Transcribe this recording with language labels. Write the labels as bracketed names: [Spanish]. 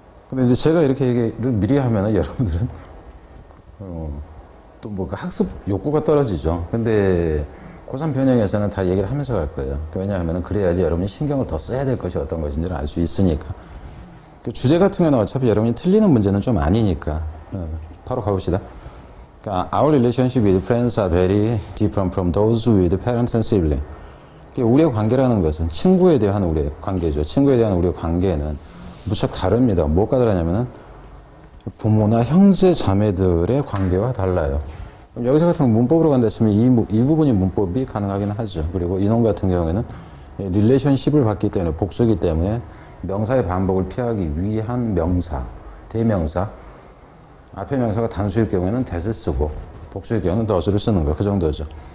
[Korean] 근데 이제 제가 이렇게 얘기를 미리 하면은 여러분들은 또 뭐 학습 욕구가 떨어지죠. 근데 고3 변형에서는 다 얘기를 하면서 갈 거예요. 왜냐하면은 그래야지 여러분이 신경을 더 써야 될 것이 어떤 것인지를 알 수 있으니까. 주제 같은 경우는 어차피 여러분이 틀리는 문제는 좀 아니니까 바로 가봅시다. [English] Our relationship with friends are very different from those with parents and siblings. [Korean] 우리의 관계라는 것은 친구에 대한 우리의 관계죠. 친구에 대한 우리의 관계는 무척 다릅니다. 무엇과 다르냐면은 부모나 형제, 자매들의 관계와 달라요. 그럼 여기서 같은 문법으로 간다 치면 이 부분이 문법이 가능하긴 하죠. 그리고 인원 같은 경우에는 relationship을 봤기 때문에, 복수기 때문에 명사의 반복을 피하기 위한 명사, 대명사, 앞에 명사가 단수일 경우에는 that을 쓰고 복수일 경우는 does를 쓰는 거예요. 그 정도죠.